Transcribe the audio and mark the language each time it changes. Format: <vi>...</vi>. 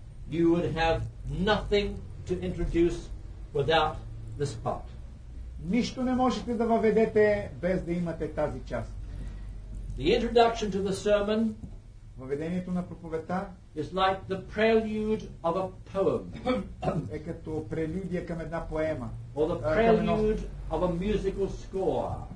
<en>You would have nothing to introduce without this part.</en> <bg>Нищо не можете да въведете без да имате тази част.</bg> <en>The introduction to the sermon.</en> <bg>Въведението на проповета.</bg> <en>It's like the prelude of a poem.</en> <bg>Е като прелюдия към една поема.</bg> <en>Or the prelude of a musical score.</en>